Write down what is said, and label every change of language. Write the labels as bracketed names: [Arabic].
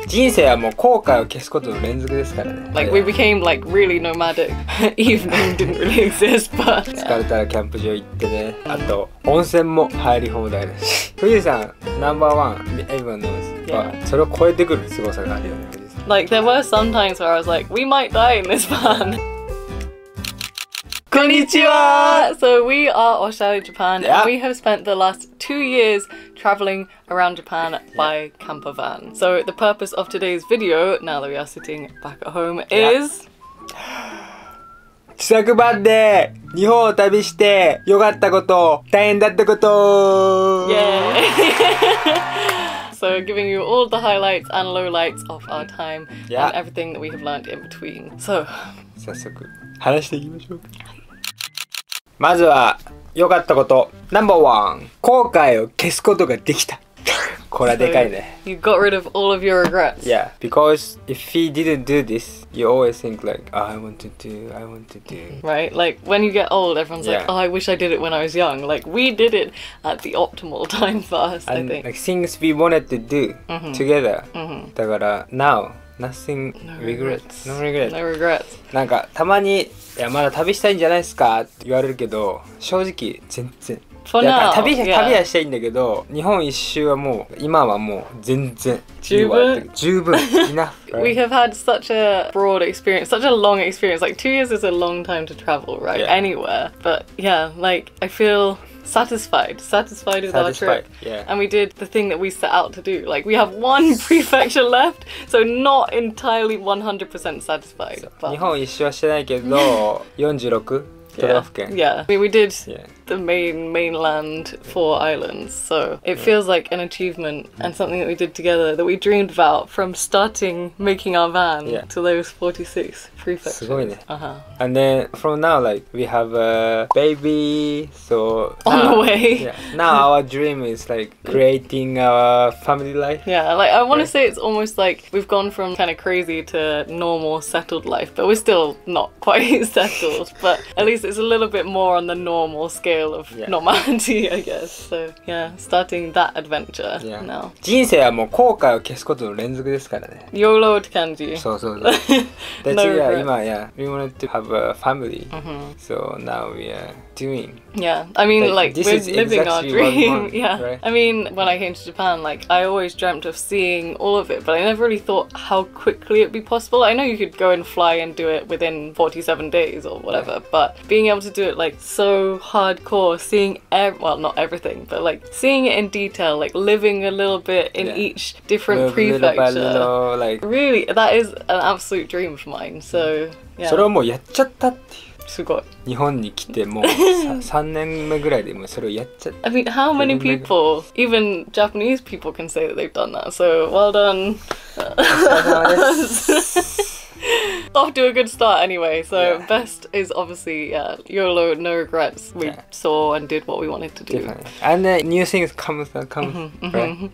[Japanese] 人生はもう後悔を消すことの連続ですからね。 [English] Like, we became like really nomadic. Evening didn't really exist, but [Japanese] 疲れたらキャンプ場行ってね。あと温泉も入り放題だし。富士山ナンバーワン、 [English] everyone knows。 [Japanese] それを超えてくる凄さがあるよね。 [English] Like, there were some times where I was like, we might die in this van. Konnichiwa! So we are OshareJapan, yeah. And we have spent the last 2 years traveling around Japan by campervan. So the purpose of today's video, now that we are sitting back at home, is... [Japanese] 自作バンで日本を旅して良かったこと、大変だったこと! [English] Yeah! So giving you all the highlights and lowlights of our time and everything that we have learned in between. So, [Japanese] 早速話していきましょう。まずは良かったこと number one、後悔を消すことができた。これはでかいね。 [English] So, you got rid of all of your regrets. Yeah, because if he didn't do this, you always think like,、oh, I want to do. Right, like when you get old, everyone's like,、oh, I wish I did it when I was young. Like we did it at the optimal time for us, And, I think. Like things we wanted to do together. [Japanese] だから [English] now, nothing regrets. No regrets. No regrets. [Japanese] なんかたまに、いやまだ旅したいんじゃないですかって言われるけど、正直全然。 [English] For now, [Japanese] 旅はしたいんだけど、日本一周はもう今はもう全然十分 [English] enough、right? We have had such a broad experience, such a long experience. Like 2 years is a long time to travel, right? Yeah. Anywhere, but yeah, like I feel satisfied with satisfied, our trip. Yeah. And we did the thing that we set out to do. Like we have one prefecture left, so not entirely 100% satisfied. But... [Japanese] 日本一周はしてないけど、46 [English] Yeah. I mean, we did the mainland four islands, so it feels like an achievement and something that we did together that we dreamed about from starting making our van to those 46 prefectures. [Japanese] すごいね。 [English] And then from now, like, we have a baby, so... On the way. Yeah, now our dream is like creating our family life. Yeah, like I want to say it's almost like we've gone from kind of crazy to normal settled life, but we're still not quite settled, but at least it's a little bit more on the normal scale of normality, I guess. So, yeah, starting that adventure now. [Japanese] 人生はもう後悔を消すことの連続ですからね。 YOLO って感じ。そうそうそう。 [English] That's it, yeah, [Japanese] 今, [English] yeah, we wanted to have a family. So now we are doing. Yeah, I mean, like we're living our dream. Yeah, I mean, when I came to Japan, like, I always dreamt of seeing all of it, but I never really thought how quickly it'd be possible. I know you could go and fly and do it within 47 days or whatever, but being able to do it like so hardcore, seeing well not everything, but like seeing it in detail, like living a little bit in each different prefecture, like really, that is an absolute dream of mine. So, yeah. [Japanese] それをもうやっちゃったっていう。すごい。日本に来てもう3年目ぐらいでもうそれをやっちゃった。 [English] I mean, how many people, even Japanese people, can say that they've done that? So, well done. Off to a good start anyway, so best is obviously YOLO, no regrets. We saw and did what we wanted to do. Definitely. And then new things come right?